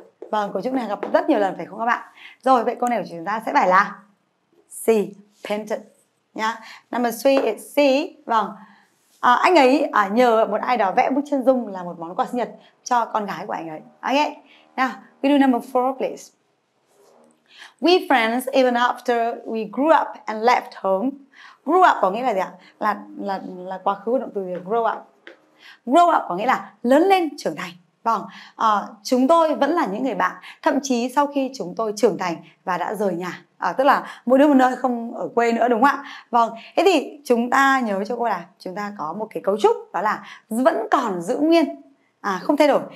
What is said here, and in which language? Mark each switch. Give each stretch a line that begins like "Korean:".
Vietnamese: Vâng, cấu trúc này gặp rất nhiều lần phải không các bạn? Rồi, vậy câu này của chúng ta sẽ phải là C, painted nhá.
English: Number 3 is C.
Vietnamese: Vâng. Anh ấy nhờ một ai đó vẽ bức chân dung là một món quà sinh nhật cho con gái của anh ấy.
English: Ok, now, we do number 4, please. We friends even after we grew up and left home.
Vietnamese: Grew up có nghĩa là gì ạ? Là quá khứ động từ grow up. Grow up có nghĩa là lớn lên, trưởng thành. Vâng, chúng tôi vẫn là những người bạn, thậm chí sau khi chúng tôi trưởng thành và đã rời nhà. Tức là mỗi đứa một nơi, không ở quê nữa, đúng không ạ? Vâng, thế thì chúng ta nhớ cho cô là chúng ta có một cái cấu trúc đó là vẫn còn giữ nguyên, không thay đổi.